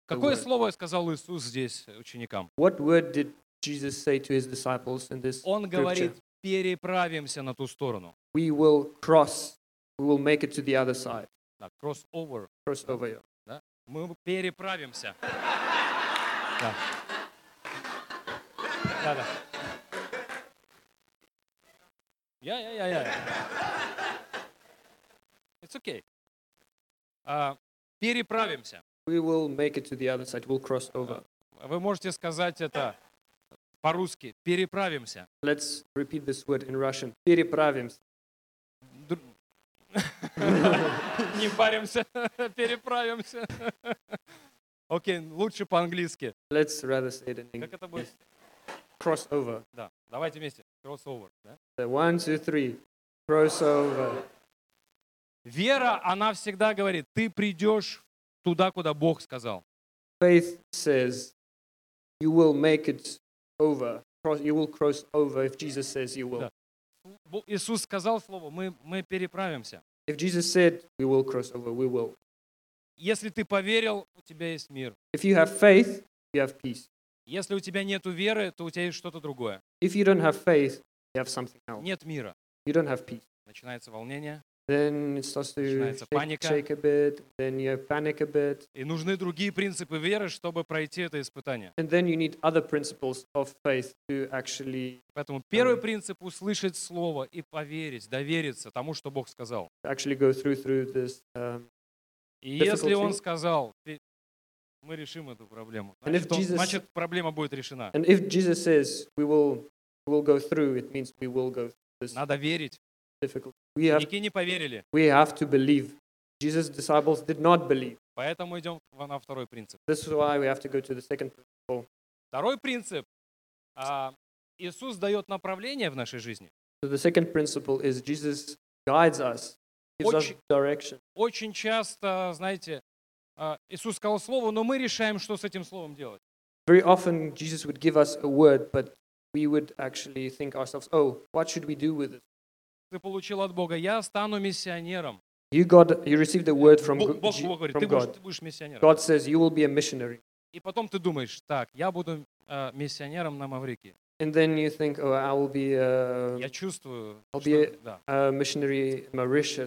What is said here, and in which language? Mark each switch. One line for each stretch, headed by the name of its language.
Russian: Какое слово сказал Иисус здесь ученикам?
English: What word did Jesus say to his disciples in this scripture?
Russian: Он говорит: переправимся на ту сторону.
English: We will cross. We will make it to the other side. Да, cross over. Cross over. Yeah.
Russian: Да. Мы переправимся. Да. Да, да.
English: Yeah. It's okay.
Russian: Переправимся.
English: We will make it to the other side. We'll cross over.
Russian: Вы можете сказать это по-русски. Переправимся.
English: Let's repeat this word in Russian.
Russian: Переправимся. Не паримся. Переправимся. Окей, лучше по-английски.
English: Let's rather say it in English.
Russian: Как это будет?
English: Cross over.
Russian: Да. Давайте вместе.
English: Cross over. Да? One, two, three. Cross over.
Russian: Вера, она всегда говорит, ты придешь туда, куда Бог сказал.
English: Faith says, you will make it over. You will cross over if Jesus says you will.
Russian: Да. Иисус сказал слово, мы переправимся.
English: If Jesus said, we will cross over, we will.
Russian: Если ты поверил, у тебя есть мир.
English: If you have faith, you have peace.
Russian: Если у тебя нету веры, то у тебя есть что-то другое.
English: If you don't have faith, you have something else.
Russian: Нет мира.
English: You don't have peace.
Russian: Начинается волнение.
English: Then it starts to shake a bit. Then you panic a bit.
Russian: И нужны другие принципы веры, чтобы пройти это испытание.
English: And then you need other principles of faith to actually.
Russian: Поэтому первый принцип — услышать слово и поверить, довериться тому, что Бог сказал.
English: Actually go through this.
Russian: И если Он сказал, мы решим эту проблему.
English: And if Jesus,
Russian: значит, проблема будет решена.
English: And if Jesus says we will go through, it means we will go through this.
Russian: Надо верить.
English: Difficulty.
Russian: Ученики не поверили.
English: We have to believe. Jesus' disciples did not believe.
Russian: Поэтому идем на второй принцип.
English: This is why we have to go to the second principle.
Russian: Второй принцип. Иисус дает направление в нашей жизни.
English: So the second principle is Jesus guides us. Gives us direction.
Russian: Очень часто, знаете, Иисус сказал слово, но мы решаем, что с этим словом делать.
English: Very often Jesus would give us a word, but we would actually think ourselves, oh, what should we do with it?
Russian: Ты получил от Бога, я стану миссионером.
English: You received a word from God.
Russian: Бог говорит, ты будешь миссионером.
English: God says, you will be a missionary.
Russian: И потом ты думаешь, так, я буду миссионером на Маврике.
English: And then you think, oh, I will be a.
Russian: Я чувствую.
English: I'll be a missionary in Mauritius.